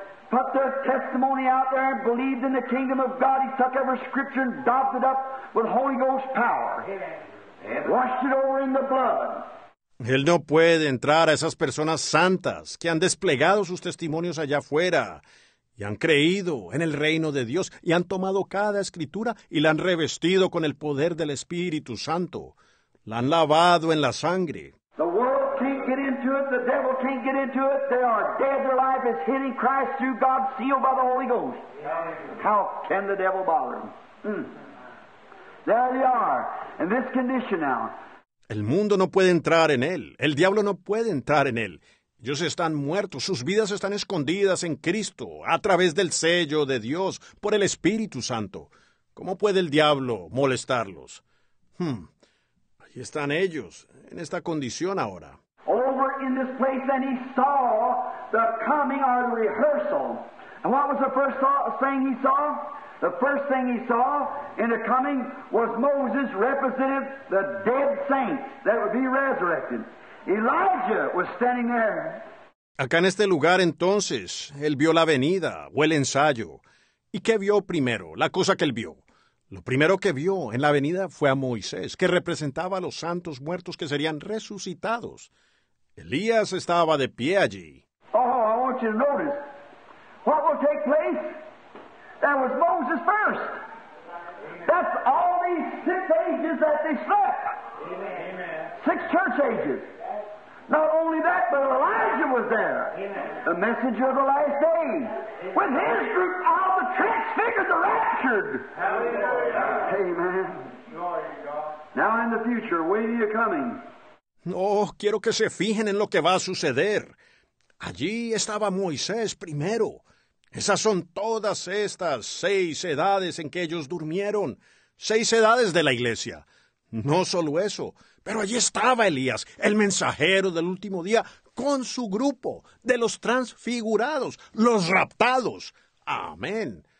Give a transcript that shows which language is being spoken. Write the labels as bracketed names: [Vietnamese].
[English] Put their testimony out there and believed in the kingdom of God. He took every scripture and doped it up with Holy Ghost power. Washed it over in the blood. [Spanish] Él no puede entrar a esas personas santas que han desplegado sus testimonios allá afuera y han creído en el reino de Dios y han tomado cada escritura y la han revestido con el poder del Espíritu Santo. La han lavado en la sangre. [English] The world can't get into it. The devil can't get into it. They are dead. Their life is hidden in Christ through God, sealed by the Holy Ghost. How can the devil bother them? There they are, in this condition now. [Spanish] El mundo no puede entrar en él. El diablo no puede entrar en él. Ellos están muertos. Sus vidas están escondidas en Cristo, a través del sello de Dios, por el Espíritu Santo. ¿Cómo puede el diablo molestarlos? Ahí están ellos, en esta condición ahora. [English] Over in this place, and he saw the coming of the rehearsal. And what was the first thing he saw? The first thing he saw in the coming was Moses representing the dead saints that would be resurrected. Elijah was standing there. [Spanish] Acá en este lugar entonces, él vio la venida o el ensayo. ¿Y qué vio primero? La cosa que él vio. Lo primero que vio en la venida fue a Moisés, que representaba a los santos muertos que serían resucitados. Elías estaba de pie allí. [English] Oh, I want you to notice. What will take place? That was Moses first. That's all these six ages that they slept. Amen. Six church ages. Not only that, but Elijah was there. Amen. The messenger of the last day. With his group, all the transfigured, the raptured. Hallelujah. Amen. Now in the future, when are you coming? [Spanish] Oh, quiero que se fijen en lo que va a suceder. Allí estaba Moisés primero. Esas son todas estas seis edades en que ellos durmieron. Seis edades de la iglesia. No solo eso, pero allí estaba Elías, el mensajero del último día, con su grupo de los transfigurados, los raptados. Amén.